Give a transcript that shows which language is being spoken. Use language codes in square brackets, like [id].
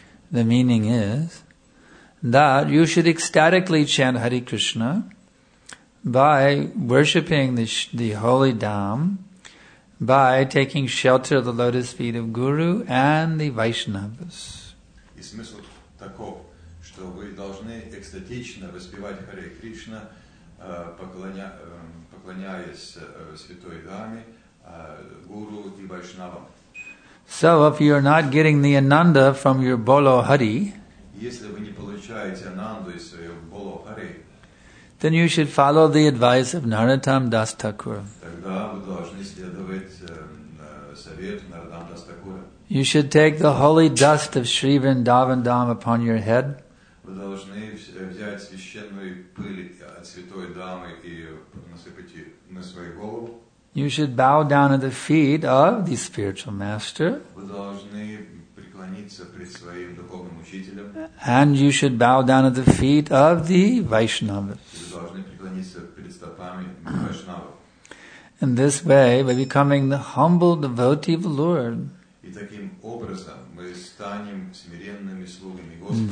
[en] The meaning is that you should ecstatically chant Hare Krishna by worshipping the holy Dham, by taking shelter of the lotus feet of Guru and the Vaishnavas. [ru] И смысл таков, что вы должны экстатично воспевать Харе Кришна, поклоняясь Святой Даме, Гуру и Вайшнавам. [en] So if you are not getting the Ananda from your Bolo Hari, [ru] если вы не получаете Ананду из своего Bolo Hari, [en] then you should follow the advice of Narottam Das Thakur. [ru] Тогда вы должны следовать совету Narottam Das Thakur. [en] You should take the holy dust of Sri Vrindavan Dham upon your head. [ru] вы должны взять священную пыль от святой дамы и насыпать ее на свою голову. [en] You should bow down at the feet of the spiritual master. [ru] Вы должны преклониться пред своим духовным учителем. [en] And you should bow down at the feet of the Vaishnavas. [ru] Вы должны преклониться пред стопами Вайшнавов. [en] In this way, by becoming the humble devotee of the Lord, [ru] и таким образом мы станем смиренными слугами Господа.